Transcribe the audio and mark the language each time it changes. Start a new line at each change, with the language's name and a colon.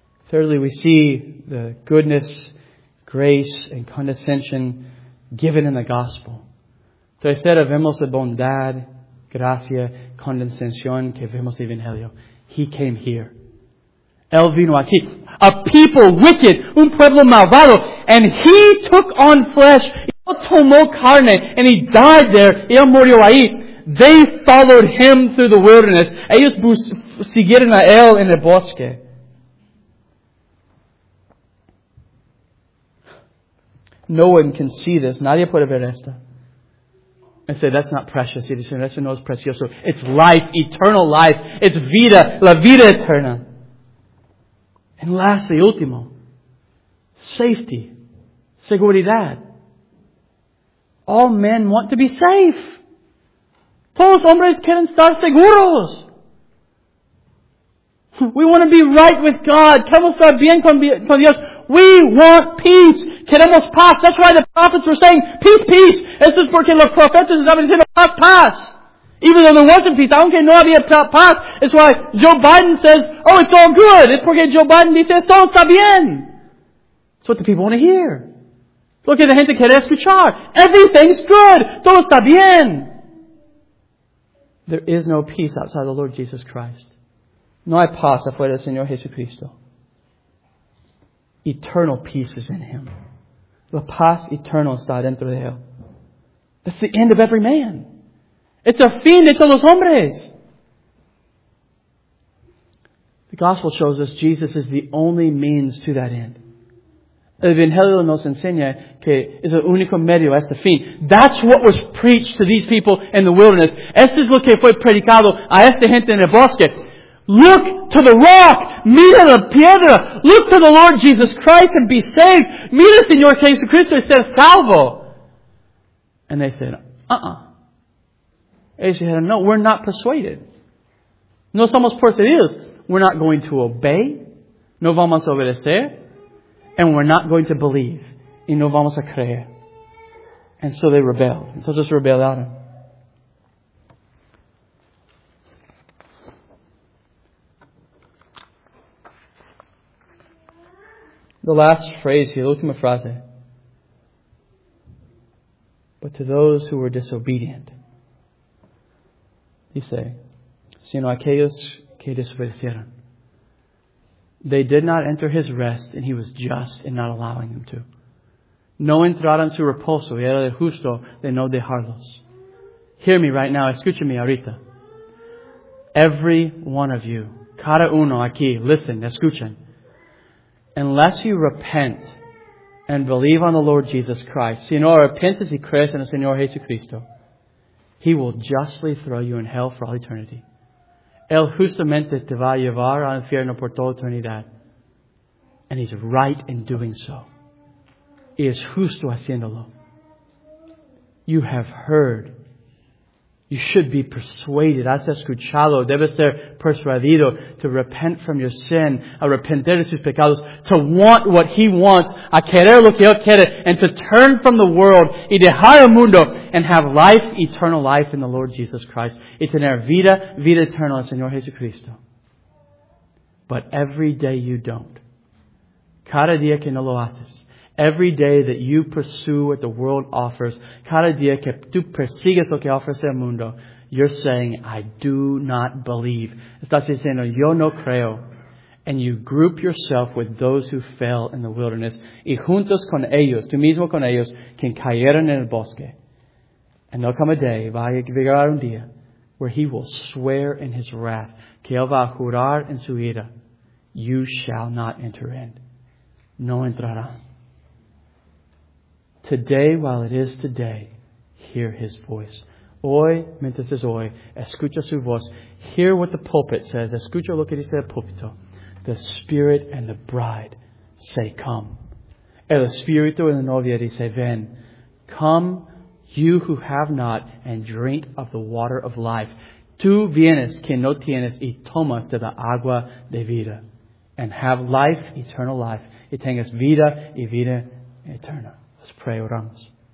English: Thirdly, we see the goodness, grace, and condescension given in the gospel.
Spanish: Tercera, vemos la bondad, gracia, condescensión que vemos en el Evangelio.
English: He came here.
Spanish: Él vino aquí.
English: A people wicked,
Spanish: un pueblo malvado,
English: and he took on flesh.
Spanish: Él tomó carne,
English: and he died there.
Spanish: Él murió ahí.
English: They followed him through the wilderness.
Spanish: Ellos siguieron a él en el bosque.
English: No one can see this.
Spanish: Nadie puede ver esto.
English: And say, that's not precious.
Spanish: Y dicen, eso no es precioso.
English: It's life, eternal life. It's
Spanish: vida, la vida eterna.
English: And lastly, último, safety, seguridad. All men want to be safe.
Spanish: Todos hombres quieren estar seguros.
English: We want to be right with God.
Spanish: Queremos estar bien con Dios.
English: We want peace.
Spanish: Queremos paz.
English: That's why the prophets were saying, peace, peace.
Spanish: Esto es porque los profetas estaban diciendo, paz, paz.
English: Even though there wasn't peace,
Spanish: aunque no había paz,
English: it's why Joe Biden says, oh, it's all good. It's
Spanish: porque Joe Biden dice, todo está bien.
English: That's what the people want to hear. Look at the
Spanish: gente quiere escuchar.
English: Everything's good.
Spanish: Todo está bien.
English: There is no peace outside the Lord Jesus Christ.
Spanish: No hay paz afuera del Señor Jesucristo.
English: Eternal peace is in Him.
Spanish: La paz eternal está dentro de Él.
English: That's the end of every man.
Spanish: It's a fin de todos los hombres.
English: The gospel shows us Jesus is the only means to that end.
Spanish: El Evangelio nos enseña que es el único medio a este fin.
English: That's what was preached to these people in the wilderness.
Spanish: Esto es lo que fue predicado a esta gente en el bosque.
English: Look to the rock.
Spanish: Mira la piedra.
English: Look to the Lord Jesus Christ and be saved.
Spanish: Mira Señor Jesucristo y ser salvo.
English: And they said, uh-uh.
Spanish: Ellos dijeron, no,
English: we're not persuaded.
Spanish: No somos persuadidos.
English: We're not going to obey.
Spanish: No vamos a obedecer.
English: And we're not going to believe.
Spanish: Y no vamos a creer.
English: And so they rebelled.
Spanish: Entonces rebelaron.
English: The last phrase here, the
Spanish: última frase.
English: But to those who were disobedient, he said,
Spanish: sino aquellos que desobedecieron.
English: They did not enter his rest, and he was just in not allowing them to.
Spanish: No entraron su reposo, y era el justo de no dejarlos.
English: Hear me right now,
Spanish: escúchame ahorita.
English: Every one of you,
Spanish: cada uno aquí,
English: listen, escuchen. Unless you repent and believe on the Lord Jesus Christ,
Spanish: si no arrepentes y crees en el Señor Jesucristo,
English: he will justly throw you in hell for all eternity.
Spanish: Él justamente te va a llevar al infierno por toda eternidad.
English: And he's right in doing so.
Spanish: Y es justo haciéndolo.
English: You have heard. You should be persuaded.
Spanish: Has escuchado. Debes ser persuadido
English: to repent from your sin.
Spanish: Arrepentir de sus pecados.
English: To want what he wants.
Spanish: A querer lo que él quiere.
English: And to turn from the world.
Spanish: Y dejar el mundo.
English: And have life, eternal life in the Lord Jesus Christ.
Spanish: Y tener vida, vida eterna en Señor Jesucristo.
English: But every day you don't.
Spanish: Cada día que no lo haces.
English: Every day that you pursue what the world offers,
Spanish: cada día que tú persigues lo que ofrece el mundo,
English: you're saying, I do not believe.
Spanish: Estás diciendo, yo no creo.
English: And you group yourself with those who fell in the wilderness,
Spanish: y juntos con ellos, tú mismo con ellos, quien cayeron en el bosque.
English: And there'll come a day,
Spanish: va a llegar un día,
English: where he will swear in his wrath,
Spanish: que él va a jurar en su ira,
English: you shall not enter in.
Spanish: No entrarán.
English: Today, while it is today, hear his voice.
Spanish: Hoy, mientras es hoy, escucha su voz.
English: Hear what the pulpit says.
Spanish: Escucha lo que dice el púlpito.
English: The Spirit and the Bride say, come.
Spanish: El Espíritu y la novia dice, ven.
English: Come, you who have not, and drink of the water of life.
Spanish: Tú vienes que no tienes y tomas de la agua de vida.
English: And have life, eternal life.
Spanish: Y tengas vida y vida eterna.
English: Let's pray, oramos.